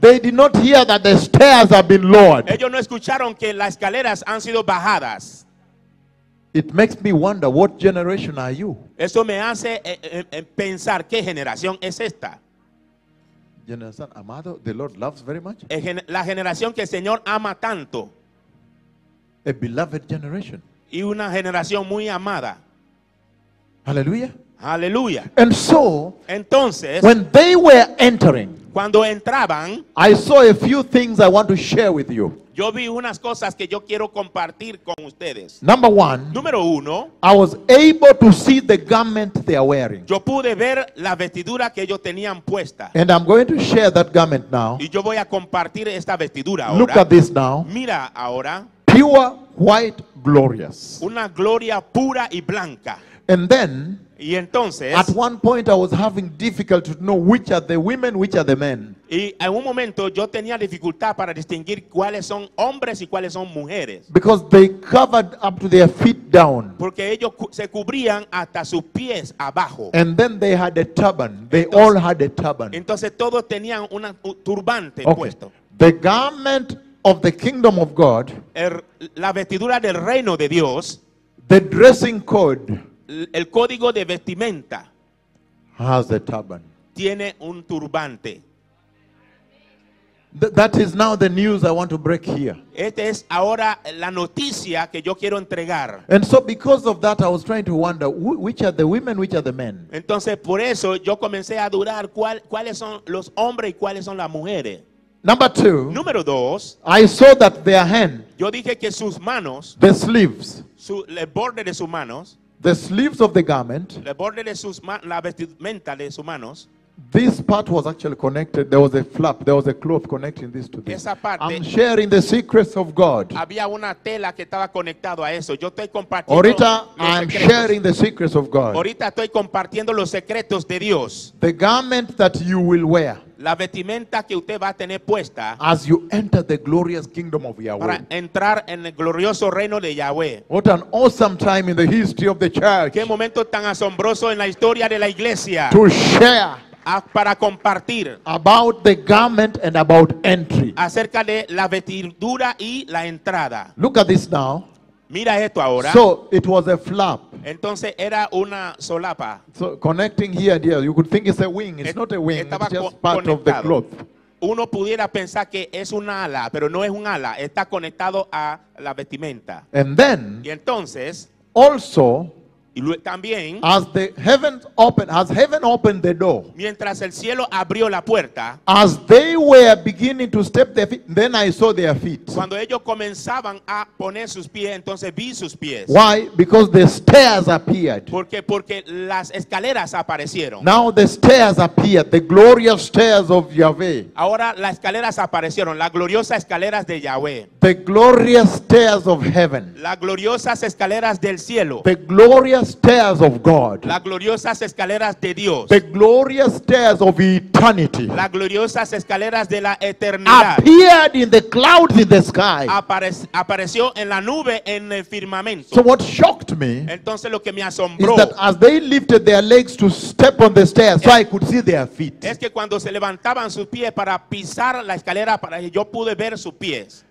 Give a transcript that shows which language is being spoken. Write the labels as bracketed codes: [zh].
[en] They did not hear that the stairs have been lowered. [es] Ellos no escucharon que las escaleras han sido bajadas. [en] It makes me wonder, what generation are you? [es] Eso me hace pensar, ¿qué generación es esta? Generación amado, [en] the Lord loves very much. [es] La generación que el Señor ama tanto. [en] A beloved generation. [es] Y una generación muy amada. Aleluya. Aleluya. [en] And so, [es] entonces, [en] when they were entering, [es] cuando entraban, [en] I saw a few things I want to share with you. [es] Yo vi unas cosas que yo quiero compartir con ustedes. [en] Number one. [es] Número uno. [en] I was able to see the garment they are wearing. [es] Yo pude ver la vestidura que ellos tenían puesta. [en] And I'm going to share that garment now. [es] Y yo voy a compartir esta vestidura ahora. [en] Look at this now. [es] Mira ahora. [en] Pure white glorious. [es] Una gloria pura y blanca. [en] And then. [es] Y entonces. [en] At one point I was having difficulty to know which are the women, which are the men. [es] Y en un momento yo tenía dificultad para distinguir cuáles son hombres y cuáles son mujeres. [en] Because they covered up to their feet down. [es] Porque ellos se cubrían hasta sus pies abajo. [en] And then they had a turban. They entonces, all had a turban. [es] Entonces todos tenían una turbante [en] okay. [es] Puesto. [en] The garment of the kingdom of God. [es] La vestidura del reino de Dios. [en] The dressing code. [es] El código de vestimenta. [en] Has a turban. [es] Tiene un turbante. [en] That is now the news I want to break here. [es] Esta es ahora la noticia que yo quiero entregar. [en] And so because of that I was trying to wonder which are the women, which are the men. [es] Entonces por eso yo comencé a dudar cuáles son los hombres y cuáles son las mujeres. [en] Number two. [es] Número dos. [en] I saw that their hand. [es] Yo dije que sus manos. [en] The sleeves. [es] El borde de sus manos. [en] The sleeves of the garment. [es] El borde de sus manos. La vestimenta de sus manos. [en] This part was actually connected. There was a flap. There was a cloth connecting this to this. I'm sharing the secrets of God. [es] Había una tela que estaba conectado a eso. Yo estoy compartiendo. [en] Ahorita I'm sharing the secrets of God. [es] Ahorita estoy compartiendo los secretos de Dios. [en] The garment that you will wear. [es] La vestimenta que usted va a tener puesta. [en] As you enter the glorious kingdom of Yahweh. [es] Para entrar en el glorioso reino de Yahweh. [en] What an awesome time in the history of the church. [es] Qué momento tan asombroso en la historia de la iglesia. [en] To share. [es] Para compartir [en] about the garment and about entry. [es] Acerca de la vestidura y la entrada. [en] Look at this now. [es] Mira esto ahora. [en] So it was a flap. [es] Entonces era una solapa. [en] So connecting here, dear, you could think it's a wing. It's not a wing. It's just part [es] conectado. [en] Of the cloth. [es] Uno pudiera pensar que es una ala, pero no es un ala. Está conectado a la vestimenta. [en] And then. [es] Y entonces. [en] Also. [es] También, [en] as the heavens opened, as heaven opened the door, [es] mientras el cielo abrió la puerta, [en] as they were beginning to step their feet, then I saw their feet. [es] Cuando ellos comenzaban a poner sus pies, entonces vi sus pies. [en] Why? Because the stairs appeared. [es] Porque las escaleras aparecieron. [en] Now the stairs appeared, the glorious stairs of Yahweh. [es] Ahora las escaleras aparecieron, las gloriosas escaleras de Yahweh. [en] The glorious stairs of heaven. [es] Las gloriosas escaleras del cielo. [en] The glorious stairs of God. [es] Las gloriosas escaleras de Dios. [en] The glorious stairs of eternity. [es] Las gloriosas escaleras de la eternidad. [en] Appeared in the clouds in the sky. [es] Apareció en la nube en el firmamento. [en] So what shocked me? [es] Entonces lo que me asombró [en] is that as they lifted their legs to step on the stairs, so I could see their feet. [es] Es que cuando se levantaban sus pies para pisar la escalera, para yo pude ver sus pies.